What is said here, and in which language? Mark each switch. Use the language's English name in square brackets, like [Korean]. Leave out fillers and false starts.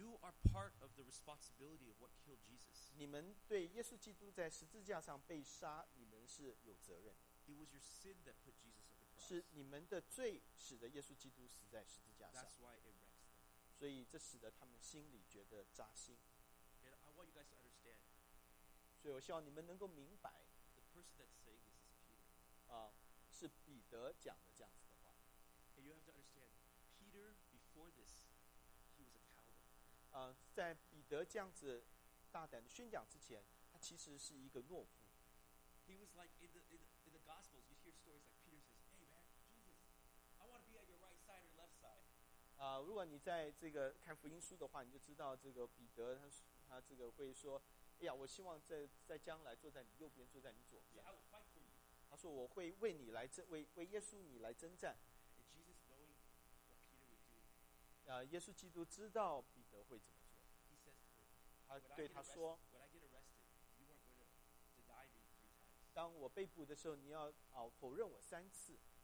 [English] You are part of the responsibility of what killed Jesus. [Chinese] 你们对耶稣基督在十字架上被杀，你们是有责任的。 [English] It was your sin that put Jesus on the cross. [Chinese] 是你们的罪使得耶稣基督死在十字架上。 [English] That's why it wrecks them. [Chinese] 所以这使得他们心里觉得扎心。 [English] And I want you guys to understand. [Chinese] 所以我希望你们能够明白。 [English] The person that's saying this is Peter. [Chinese] 是彼得讲的这样子的话。 [English] And you have to understand, Peter before this, he was a coward. [Chinese] 在彼得这样子大胆的宣讲之前，他其实是一个懦夫。 [English] He was like in the Gospels, you hear stories like Peter says, "Hey man, Jesus, I want to be at your right side or left side." [Chinese] 如果你在这个看福音书的话，你就知道这个彼得他这个会说。哎呀，我希望在将来坐在你右边，坐在你左边。 [English] Yeah, I will fight for you. [Chinese] 他说我会为你来争，为耶稣你来征战。 [English] And Jesus knowing what Peter would do. [Chinese] 耶稣基督知道彼得会怎么做。 [English] He says to him, [Chinese] 他对他说 [English] "When I get arrested, you aren't going to deny me [Chinese] 当我被捕的时候，你要否认我三次。